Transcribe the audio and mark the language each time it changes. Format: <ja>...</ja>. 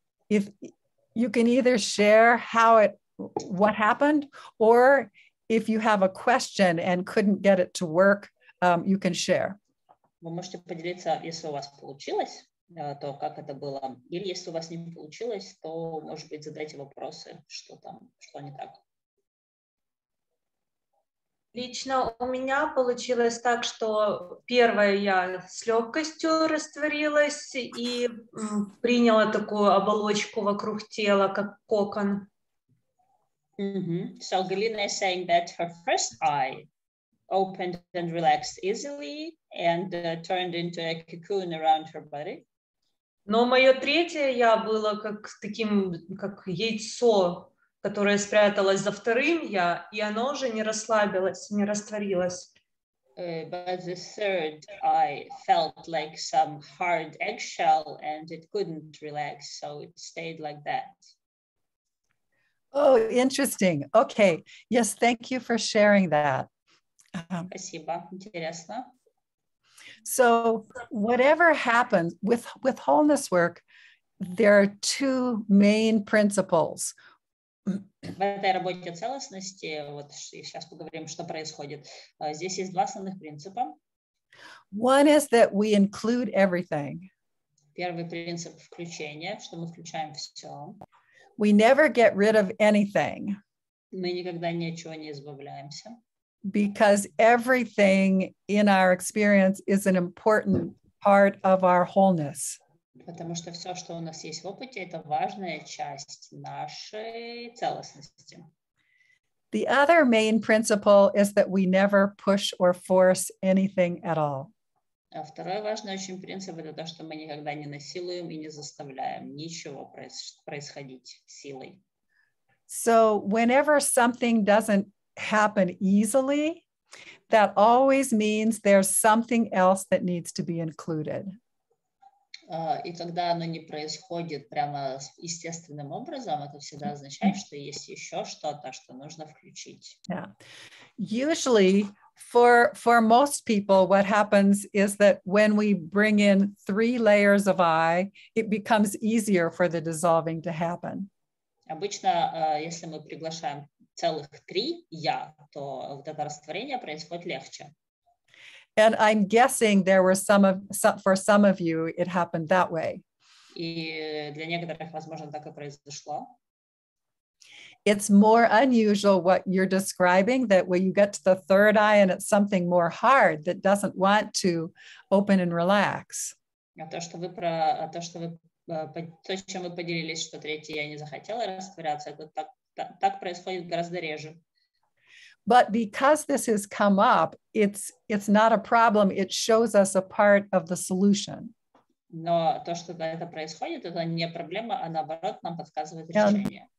<en>If you can either share how it, what happened, or if you have a question and couldn't get it to work, you can share.</en> <ru>Вы можете поделиться, если у вас получилось. То как это было. Или если у вас не получилось, то, может быть, задайте вопросы, что там, что не так. Лично у меня получилось так, что первое я с легкостью растворилась и приняла такую оболочку вокруг тела, как кокон. Mm-hmm.</ru> <en>So Galina is saying that her first eye opened and relaxed easily and turned into a cocoon around her body.</en> <ru>Но мое третье я было как таким, как яйцо, которое спряталось за вторым я, и оно уже не расслабилось, не растворилось.</ru> <en>But the third eye felt like some hard eggshell, and it couldn't relax, so it stayed like that. Oh, interesting. Okay. Yes, thank you for sharing that.</en> <ru>Спасибо. Интересно.</ru> <en>So whatever happens with wholeness work, there are two main principles.</en> <ru>В этой работе целостности, вот сейчас поговорим, что происходит. Здесь есть два основных принципа.</ru> <en>One is that we include everything.</en> <ru>Первый принцип включения, что мы включаем все.</ru> <en>We never get rid of anything.</en> <ru>Мы никогда ни от чего не избавляемся.</ru> <en>Because everything in our experience is an important part of our wholeness.</en> <ru>Потому что все, что у нас есть в опыте, это важная часть нашей целостности.</ru> <en>The other main principle is that we never push or force anything at all.</en> <ru>А второй важный очень принцип — это то, что мы никогда не насилуем и не заставляем ничего происходить силой.</ru> <en>So whenever something doesn't happen easily, that always means there's something else that needs to be included.</en> <ru>И когда оно не происходит прямо естественным образом, это всегда означает, что есть еще что-то, что нужно включить.</ru> <en>Yeah. Usually, for most people, what happens is that when we bring in three layers of I, it becomes easier for the dissolving to happen.</en> <ru>Обычно, если мы приглашаем целых три я, то вот это растворение происходит легче.</ru> <en>And I'm guessing there were some of you it happened that way.</en> <ru>И для некоторых, возможно, так и произошло.</ru> <en>It's more unusual what you're describing, that when you get to the third eye and it's something more hard that doesn't want to open and relax.</en> <ru>То, чем вы поделились, что третье я не захотела растворяться, это так. Так происходит гораздо реже.</ru> <en>But because this has come up, it's not a problem. It shows us a part of the solution.</en> <ru>Но то, что это происходит, это не проблема, а наоборот, нам подсказывает решение.</ru>